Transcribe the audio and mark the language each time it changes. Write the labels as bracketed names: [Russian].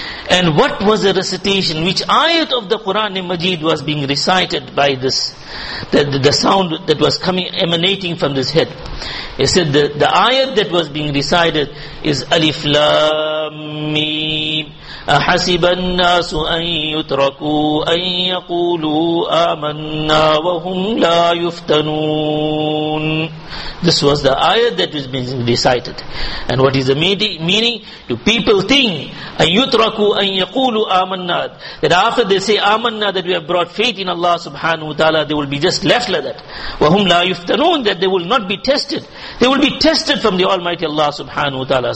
[English] And what was the recitation? Which ayat of the Qur'an-i-Majeed was being recited by this, the sound that was coming, emanating from this head? He said, the ayat that was being recited is Alif Lam Mim. [Arabic] أحسب الناس أن يتركوا أن يقولوا آمنا وهم لا يفتنون. [English] This was the ayah that was being recited. And what is the meaning? Do people think, [Arabic] أن يتركوا أن يقولوا آمنا, [English] that after they say آمنا, that we have brought faith in Allah subhanahu wa ta'ala, they will be just left like that. [Arabic] وهم لا يفتنون, [English] that they will not be tested. They will be tested from the Almighty Allah subhanahu wa ta'ala.